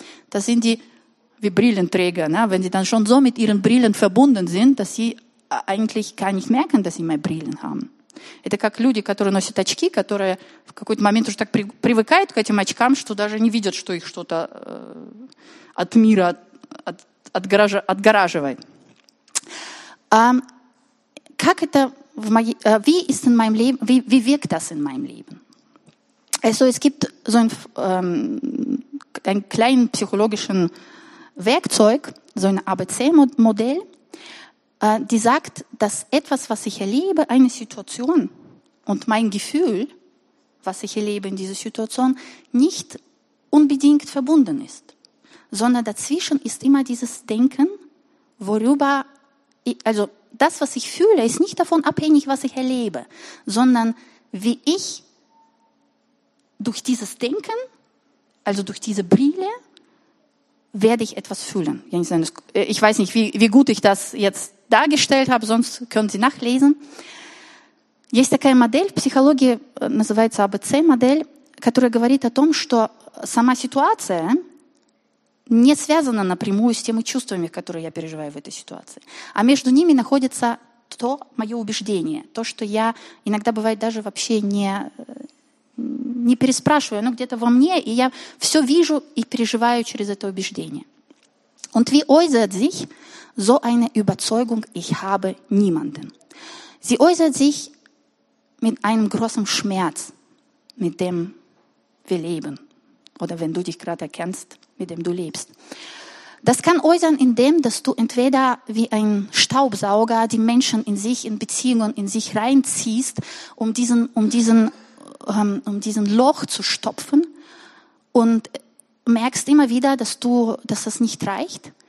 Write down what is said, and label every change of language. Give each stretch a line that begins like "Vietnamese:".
German: Das sind die wie Brillenträger, ne? Wenn sie dann schon so mit ihren Brillen verbunden sind, dass sie eigentlich gar nicht merken, dass sie mehr Brillen haben.
Russian: Это как люди, которые носят очки, которые в какой-то момент уже так привыкают к этим очкам, что даже не видят, что их что-то от мира отгораживает. Как это в моей...
German: Wie ist in meinem Leben, wie wirkt das in meinem Leben? Also es gibt so einen kleinen psychologischen Werkzeug, so ein ABC-Modell, die sagt, dass etwas, was ich erlebe, eine Situation und mein Gefühl, was ich erlebe in dieser Situation, nicht unbedingt verbunden ist, sondern dazwischen ist immer dieses Denken, worüber, also das, was ich fühle, ist nicht davon abhängig, was ich erlebe, sondern wie ich durch dieses Denken Also durch diese Brille werde ich etwas fühlen. Ich weiß nicht, wie gut ich das jetzt dargestellt habe, sonst können Sie nachlesen.
Russian: Есть такая модель, психология называется ABC-модель, которая говорит о том, что сама ситуация не связана напрямую с теми чувствами, которые я переживаю в этой ситуации. А между ними находится то мое убеждение, то, что я иногда бывает даже вообще не переспрашиваю, оно где-то во мне, и я все вижу и переживаю через это убеждение.
German: Und wie äußert sich so eine Überzeugung, ich habe niemanden? Sie äußert sich mit einem großen Schmerz, mit dem wir leben. Oder wenn du dich gerade erkennst, mit dem du lebst. Das kann äußern in dem, dass du entweder wie ein Staubsauger die Menschen in sich, in Beziehungen, in sich reinziehst, um diesen Loch zu stopfen und merkst immer wieder, dass das nicht reicht.